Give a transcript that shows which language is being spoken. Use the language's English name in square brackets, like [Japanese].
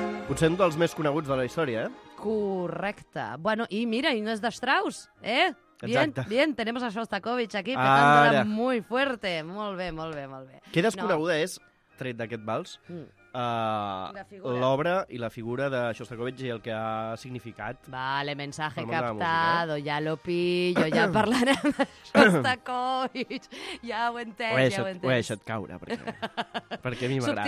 [Catalan] Potser un dels més coneguts de la història, Correcte. Bueno, i mira, i no és d'Strauss, Exacte. [Spanish] Bien, tenemos a Shostakovich aquí, petándola muy fuerte. [Catalan] Molt bé. Què desconeguda és, tret d'aquest vals, l'obra i la figura de Shostakovich i el que ha significat. [Spanish] Vale, mensaje captado, ya lo pillo, ya [Catalan] parlarem de Shostakovich. Ja ho entenc, Ho he deixat caure, perquè a mi m'agrada.